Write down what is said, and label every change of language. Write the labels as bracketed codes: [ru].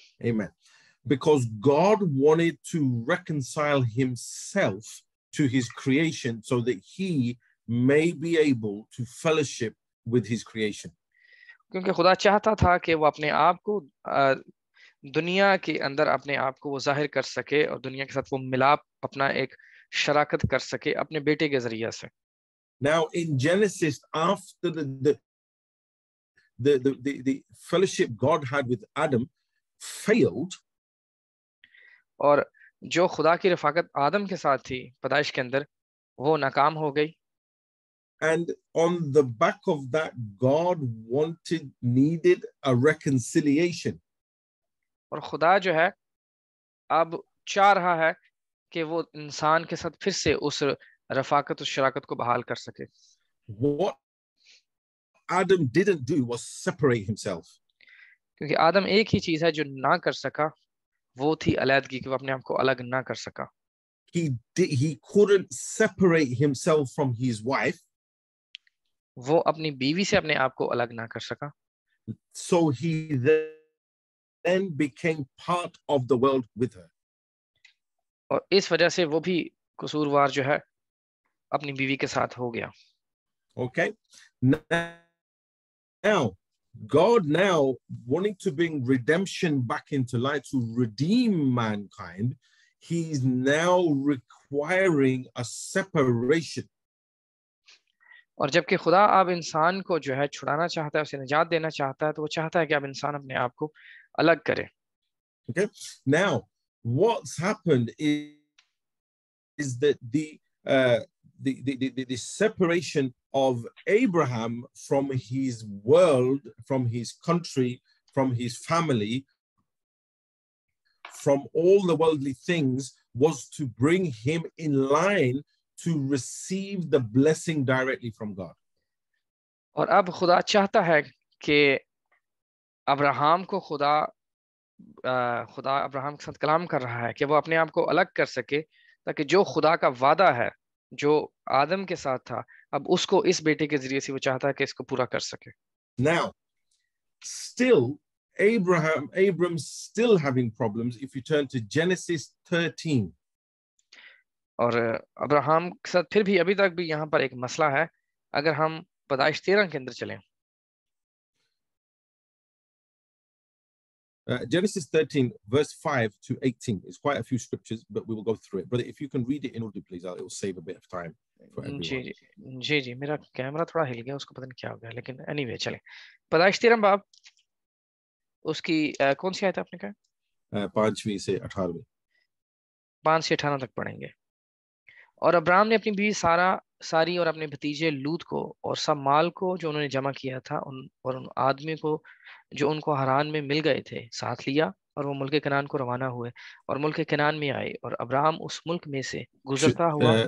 [en] amen because god wanted to reconcile himself to his creation so that he may be able to fellowship with his creation [hi] kyunki khuda chahta tha ki wo apne aap ko दुनिया के अंदर अपने आप को वो जाहिर कर सके और दुनिया के साथ वो मिलाप अपना एक शराकत कर सके अपने बेटे के जरिए से [en] Now in Genesis after the fellowship God had with Adam failed [hi] और जो खुदा की रफाकत आदम के साथ थी पैदाइश के अंदर वो नाकाम हो गई [en] And on the back of that God wanted needed a reconciliation [hi] और खुदा जो है अब चाह रहा है कि वो इंसान के साथ फिर से उस रफाकत उस शराकत को बहाल कर सके [en] What Adam didn't do was separate himself. [hi] क्योंकि आदम एक ही चीज है जो ना कर सका, वो थी अलैदगी, कि वो अपने आप को अलग ना कर सका. [en] He couldn't separate himself from his wife. [hi] वो अपनी बीवी से अपने आप को अलग ना कर सका. [en] So he then became part of the world with her. [hi] और इस वजह से वो भी कसूरवार जो है अपनी बीवी के साथ हो गया. [en] Okay. Now, God now wanting to bring redemption back into life to redeem mankind, he's now requiring a separation. [hi] और जबकि खुदा अब इंसान को जो है छुड़ाना चाहता है, उसे निजात देना चाहता है, तो वो चाहता है कि अब इंसान अपने आप को अलग करे. [en] Okay. Now, what's happened is that the separation of Abraham from his world, from his country, from his family, from all the worldly things, was to bring him in line to receive the blessing directly from God. [hi] और अब खुदा चाहता है कि Abraham को खुदा Abraham के साथ कलाम कर रहा है कि वो अपने आप को अलग कर सके, ताकि जो खुदा का वादा है जो आदम के साथ था, अब उसको इस बेटे के जरिए से वो चाहता है कि इसको पूरा कर सके. [en] Now, still Abraham still having problems. If you turn to Genesis 13, [hi] और अब्राहम के साथ फिर भी अभी तक भी यहाँ पर एक मसला है. अगर हम पदाइश 13 के अंदर चलें, [en] Genesis 13, verse 5 to 18. It's quite a few scriptures, but we will go through it. Brother, if you can read it in Urdu, please, it will save a bit of time for everyone. [hi] जी, मेरा camera थोड़ा हिल गया, उसको पता नहीं क्या हो गया, लेकिन anyway, चले. पदाइश 13, बाब, उसकी कौन सी आयत आपने कहा? 5वीं से 18वीं. 5 से 18 तक पढ़ेंगे. और अब्राहम ने अपनी बीवी सारी और अपने भतीजे लूत को और सब माल को जो उन्होंने जमा किया था और उन आदमी को जो उनको हरान में मिल गए थे साथ लिया, और वो मुल्क कनान को रवाना हुए और मुल्क कनान में आए, और अब्राहम उस मुल्क में से गुजरता हुआ.